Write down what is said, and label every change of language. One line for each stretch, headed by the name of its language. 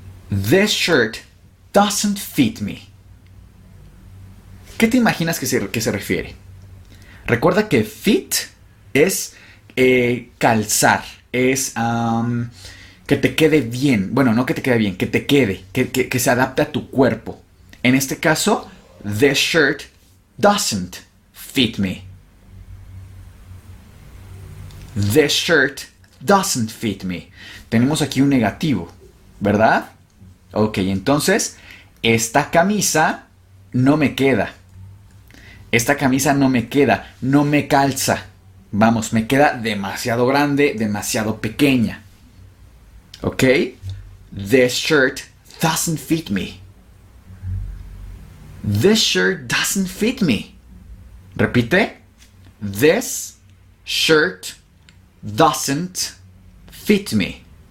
English: This shirt doesn't fit me.
Spanish: ¿Qué te imaginas que se refiere? Recuerda que fit es calzar. Es que te quede bien. Bueno, no que te quede bien, que te quede. Que se adapte a tu cuerpo. En este caso,
English: this shirt doesn't fit me. This shirt doesn't fit me.
Spanish: Tenemos aquí un negativo, ¿verdad? Ok, entonces, esta camisa no me queda. Esta camisa no me queda, no me calza. Vamos, me queda demasiado grande, demasiado pequeña.
English: Ok, this shirt doesn't fit me. This shirt doesn't fit me.
Spanish: Repite,
English: this shirt doesn't fit me.